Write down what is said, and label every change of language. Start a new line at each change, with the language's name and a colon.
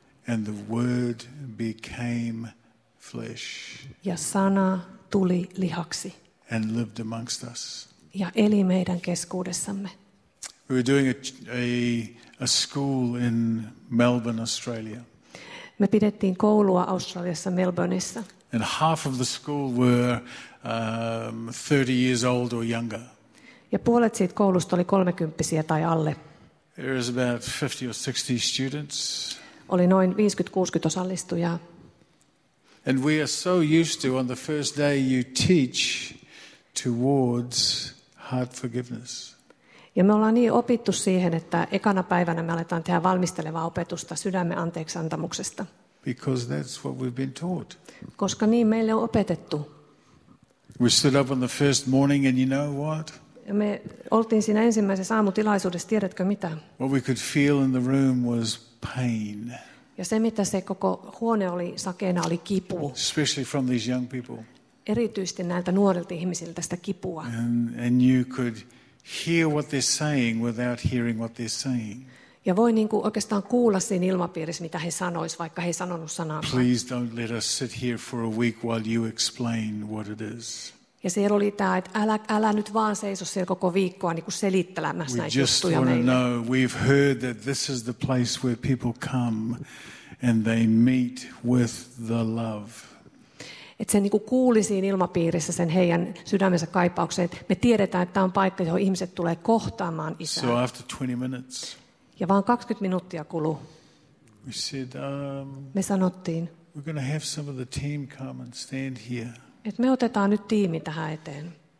English: And the word became flesh.
Finnish: Ja sana tuli lihaksi.
English: And lived amongst us.
Finnish: Ja eli meidän keskuudessamme.
English: We were doing a school in Melbourne, Australia.
Finnish: Me pidettiin koulua Australiassa Melbourneissa.
English: And half of the school were 30 years old or younger.
Finnish: Ja puolet siitä koulusta oli 30-vuotiaita tai alle.
English: There was about 50 or 60 students.
Finnish: Oli noin 50-60 osallistujaa.
English: And we are so used to on the first day you teach towards heart forgiveness.
Finnish: Ja me ollaan niin opittu siihen, että ekana päivänä me aletaan tehdä valmistelevaa opetusta sydämen anteeksiantamuksesta.
English: Because that's what we've been taught.
Finnish: Koska niin meille on opetettu.
English: We stood up on the first morning and you know what?
Finnish: Ja me oltiin siinä ensimmäisessä aamutilaisuudessa, tiedätkö mitä?
English: What we could feel in the room was pain.
Finnish: Ja se, mitä se koko huone oli sakeena, oli kipu.
English: Especially from these young people.
Finnish: Erityisesti näiltä nuorilta ihmisiltä sitä kipua.
English: And you could hear what they're saying without hearing what they're saying.
Finnish: Ja voi niin kuin oikeastaan kuulla siinä ilmapiirissä, mitä he sanois, vaikka he ei sanonut sanaa.
English: Please don't let us sit here for a week while you explain what it is.
Finnish: Ja siellä oli tämä, että älä nyt vaan seiso siellä koko viikkoa niin kuin selittelemässä näitä juttuja meille.
English: Know. We've heard that this is the place where people come and they meet with the love.
Finnish: Että se niin kuin kuuli siinä ilmapiirissä sen heidän sydämensä kaipaukseen. Me tiedetään, että tämä on paikka, johon ihmiset tulee kohtaamaan Isää.
English: So after 20 minutes.
Finnish: Ja vaan 20 minuuttia kului.
English: We said,
Finnish: me sanottiin.
English: We're going to have some of the team come and stand here.
Finnish: Et me otetaan nyt tiimi tähän eteen.